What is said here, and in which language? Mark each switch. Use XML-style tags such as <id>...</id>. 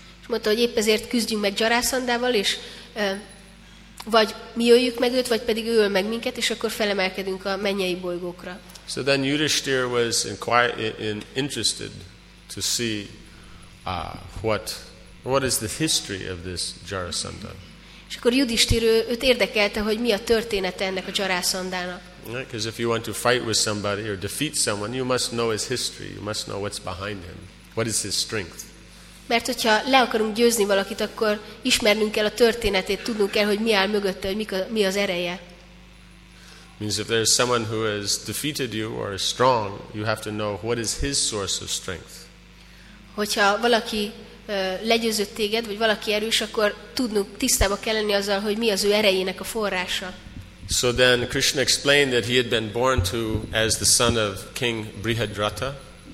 <hu>És mondta, hogy épp ezért küzdjünk meg Jarasandával, és vagy mi öljük meg őt, vagy pedig ő öl meg minket, és akkor felemelkedünk a mennyei bolygókra.</hu> <en>So then Yudhishthir was interested to see what is the history of this Jarasandha.</en> <hu>És akkor Yudhishthir őt érdekelte, hogy mi a története ennek a Jarasandának.</hu> <en>Because if you want to fight with somebody or defeat someone, you must know his history. You must know what's behind him. What is his strength?</en> <hu>Mert hogyha le akarunk győzni valakit, akkor ismernünk kell a történetét, tudnunk kell, hogy mi áll mögötte, hogy mi az ereje.</hu> <en>Means if there is someone who has defeated you or is strong, you have to know what is his source of strength.</en> <hu>Hogyha valaki legyőzött téged, vagy valaki erős, akkor tudnunk tisztába kell lenni azzal, hogy mi az ő erejének a forrása.</hu> <en>So then Krishna explained that he had been born to as the son of King Brihadrata.</en>